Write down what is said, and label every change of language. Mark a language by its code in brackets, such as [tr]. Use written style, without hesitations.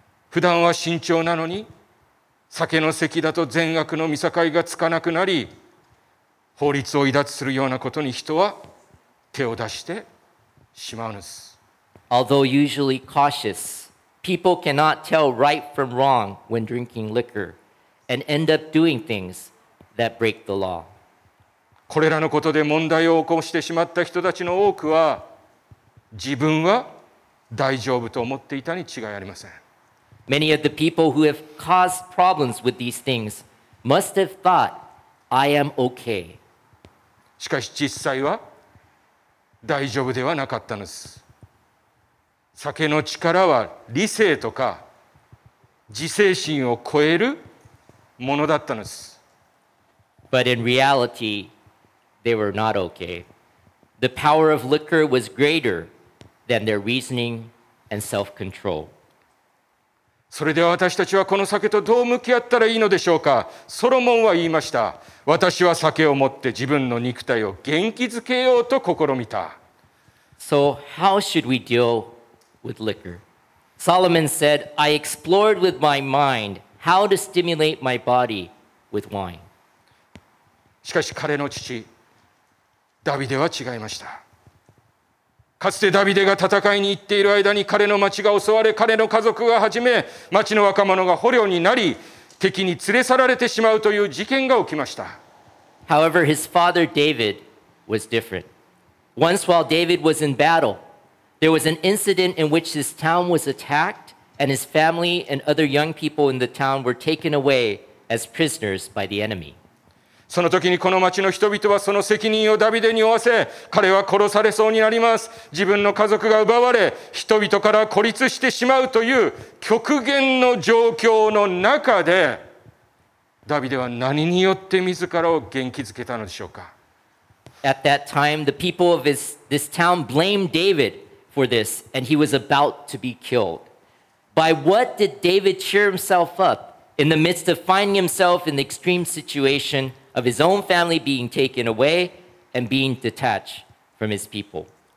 [ja] 普段は慎重なのに、酒の席だと善悪の見境がつかなくなり、法律を逸脱するようなことに人は手を出してしまうのです。 [en] Although usually cautious, people cannot tell right from wrong when drinking liquor, and end up doing things that break the law. [ja] これらのことで問題を起こしてしまった人たちの多くは、自分は大丈夫と思っていたに違いありません。 [en] Many of the people who have caused problems with these things must have thought, I am okay. [ja] しかし実際は大丈夫ではなかったのです。酒の力は理性とか自制心を超えるものだったのです。 [en] But in reality, they were not okay. The power of liquor was greater. than their reasoning and self-control. [ja] それでは私たちはこの酒とどう向き合ったらいいのでしょうか。ソロモンは言いました。私は酒を持って自分の肉体を元気づけようと試みた。 [en] So how should we deal with liquor? Solomon said, I explored with my mind how to stimulate my body with wine. [ja] しかし彼の父、ダビデは違いました。かつてダビデが戦いに行っている間に彼の町が襲われ、彼の家族がはじめ町の若者が捕虜になり、敵に連れ去られてしまうという事件が起きました。 [en] However, his father David was different. Once while David was in battle, there was an incident in which his town was attacked and his family and other young people in the town were taken away as prisoners by the enemy. [ja] その時にこの町の人々はその責任をダビデに負わせ、彼は殺されそうになります。自分の家族が奪われ、人々から孤立してしまうという極限の状況の中で、ダビデは何によって自らを元気づけたのでしょうか。 [en] At that time, the people of this town blamed David for this, and he was about to be killed. By what did David cheer himself up in the midst of finding himself in the extreme situation? Of his own family being taken away and being detached from his people.